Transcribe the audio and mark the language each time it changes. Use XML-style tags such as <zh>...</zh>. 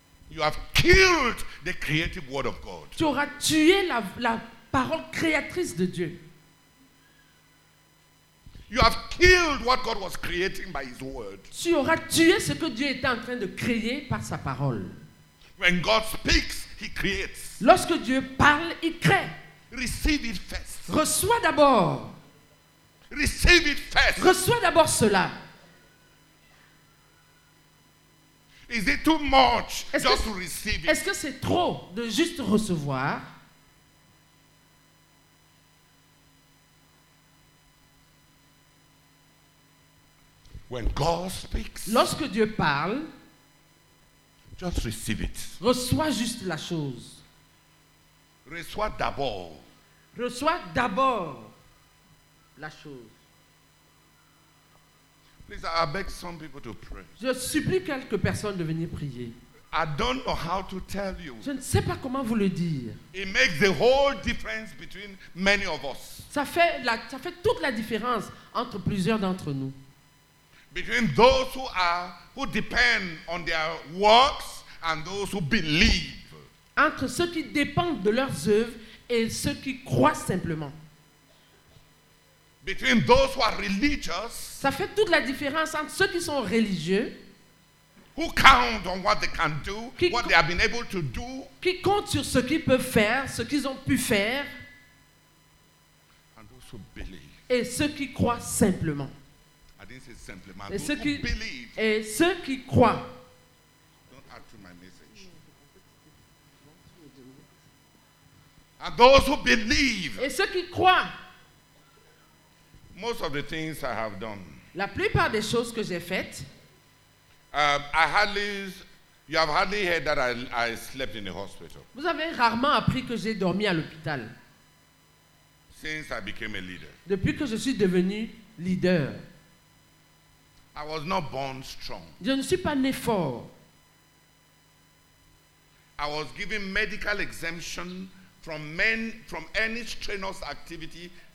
<en>You have killed the creative word of God.</en> <fr>Tu auras tué la parole créatrice de Dieu.</fr> <en>You have killed what God was creating by his word.</en> <fr>Tu auras tué ce que Dieu était en train de créer par sa parole.</fr> <en>When God speaks, he creates.</en> <fr>Lorsque Dieu parle, il crée.</fr> <en>Receive it first.</en> <fr>Reçois d'abord.</fr> <en>Receive it first.</en> <fr>Reçois d'abord cela.</fr> <en>Is it too much just to receive it?</en> <fr>Est-ce que c'est trop de juste recevoir?</fr> <en>When God speaks,</en> <fr>lorsque Dieu parle,</fr> <en>just receive it.</en> <fr>Reçois juste la chose. Reçois d'abord. Reçois d'abord la chose.</fr> <en>Please, I beg some people to pray.</en> <fr>Je supplie quelques personnes de venir prier.</fr> <en>I don't know how to tell you.</en> <fr>Je ne sais pas comment vous le dire.</fr> <en>It makes the whole difference between many of us.</en> <fr>Ça fait toute la différence entre plusieurs d'entre nous.</fr> <en>Between those who depend on their works and those who believe.</en> <fr>Entre ceux qui dépendent de leurs œuvres et ceux qui croient simplement.</fr> <en>Between those who are religious,</en> <fr>ça fait toute la différence entre ceux qui sont religieux,</fr> <en>who count on what they can do, what they have been able to do,</en> <fr>qui comptent sur ce qu'ils peuvent faire, ce qu'ils ont pu faire,</fr> <en>and those who believe,</en> <fr>et ceux qui croient simplement.</fr> <en>I didn't say simplement.</en> <fr>Et ceux qui</fr> <en>believe,</en> <fr>et ceux qui croient.</fr> <en>Don't add to my message. And those who believe,</en> <fr>et ceux qui croient.</fr> <en>Most of the things I have done.</en> <fr>La plupart des choses que j'ai faites.</fr> <en>You have hardly heard that I slept in the hospital.</en> <fr>Vous avez rarement appris que j'ai dormi à l'hôpital.</fr> <en>Since I became a leader.</en> <fr>Depuis que je suis devenu leader.</fr> <en>I was not born strong.</en> <fr>Je ne suis pas né fort.</fr> <en>I was given medical exemption from any strenuous activity.</en>